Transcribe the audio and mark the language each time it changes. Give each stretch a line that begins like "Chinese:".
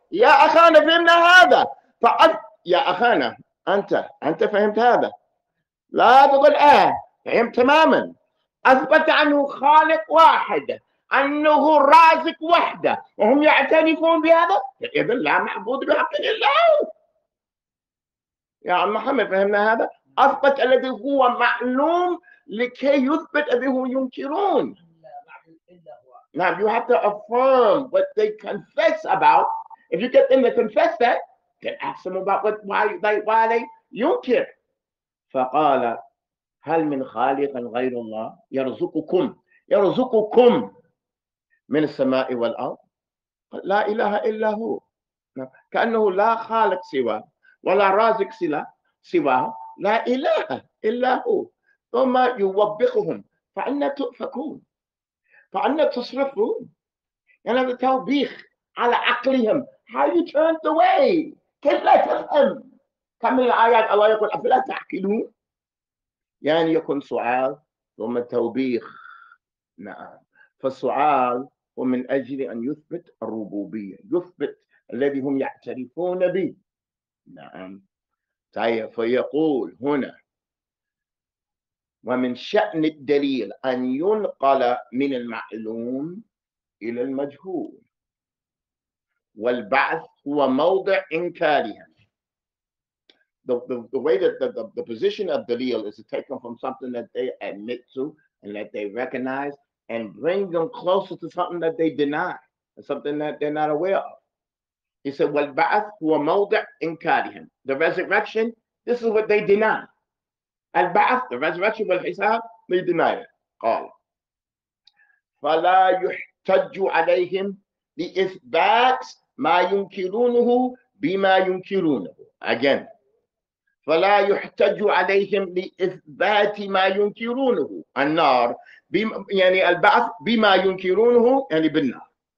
Arabic: يا أخانا فهمنا هذا. يا أخانا أنت فهمت هذا؟ لا تقول فهمت تماما. أثبت عنه خالق واحد أنه الرازق وحده وهم يعترفون بهذا؟ إذا لا معبود بحق إلا هو. يا عم محمد فهمنا هذا؟ أثبت الذي هو معلوم لكي يثبت الذي هو ينكرون.
English: Now you have to affirm what they confess about. If you get them to confess that, then ask them about what, why they yunkir.
Arabic: فقال هل من خالق غير الله يرزقكم يرزقكم من السماء والأرض؟ لا إله إلا هو. كأنه لا خالق سوى ولا رازق سوى. لا إله إلا هو. ثم يوبخهم فأنا تؤفكون فأنا تصرفون. يعني هذا توبيخ على عقلهم.
English: How you turned away.
Arabic: كيف لا تفهم؟ كم من الآيات الله يقول أفلا تعقلون؟ يعني يكون سؤال ثم توبيخ. نعم. فالسؤال هو من أجل أن يثبت الربوبية. يثبت الذي هم يعترفون به. نعم. طيب فيقول هنا ومن شأن الدليل أن ينقل من المعلوم إلى المجهول والبعث هو موضع إنكارهم.
English: The way that the position of دليل is to take them from something that they admit to and that they recognize and bring them closer to something that they deny, something that they're not aware of. He said
Arabic: والبعث هو موضع إنكارهم.
English: The resurrection, this is what they deny. البعث, the resurrection والحساب, they deny it.
Arabic: قال فلا يحتج عليهم لإثبات ما ينكرونه بما ينكرونه. Again, فلا يحتج عليهم لإثبات ما ينكرونه النار بما, يعني البعث بما ينكرونه يعني بالنار.